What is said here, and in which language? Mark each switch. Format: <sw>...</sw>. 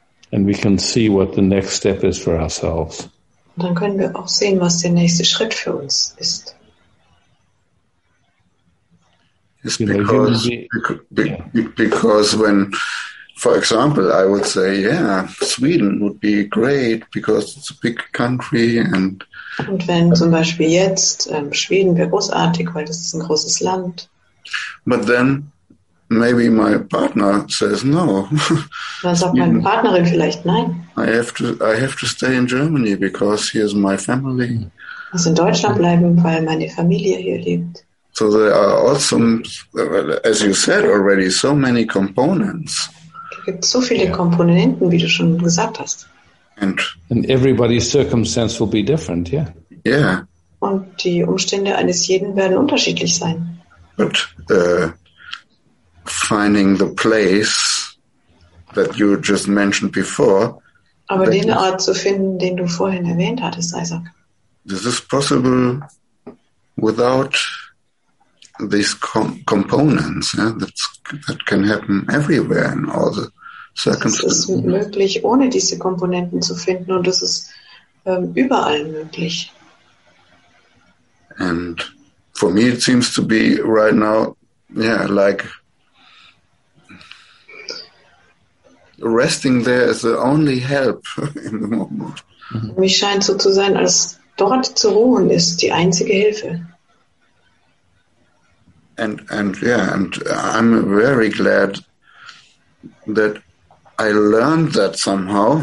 <en>And we can see what the next step is for ourselves.</en> <de>Und dann können wir auch sehen, was der nächste Schritt für uns ist.</de> <en>It's because when, for example, I would say, yeah, Sweden would be great because it's a big country.</en> <de>Und wenn zum Beispiel jetzt Schweden wäre großartig, weil das ist ein großes Land.</de> <en>But then maybe my partner says no.</en> <de>Dann sagt meine Partnerin vielleicht nein.</de> <en>I have to stay in Germany because here's my family.</en> <de>Also in Deutschland bleiben, weil meine Familie hier lebt.</de> <en>So there are also, as you said already, so many components.</en> <de>Es gibt so viele Komponenten, wie du schon gesagt hast.</de> <en>And everybody's circumstance will be different, yeah. Yeah.</en> <de>Und die Umstände eines jeden werden unterschiedlich sein.</de> <en>But finding the place that you just mentioned before.</en> <de>Aber den Ort zu finden, den du vorhin erwähnt hattest, Isaac.</de> <en>This is possible without these components. Yeah? That can happen everywhere in all the circumstances.</en> <de>Es ist möglich, ohne diese Komponenten zu finden, und das ist überall möglich.</de> <en>And for me, it seems to be right now, yeah, like resting there is the only help in the moment. Mm-hmm.</en> <de>Mir scheint so zu sein, als dort zu ruhen ist die einzige Hilfe.</de> <en>And yeah, and I'm very glad that I learned that somehow.</en>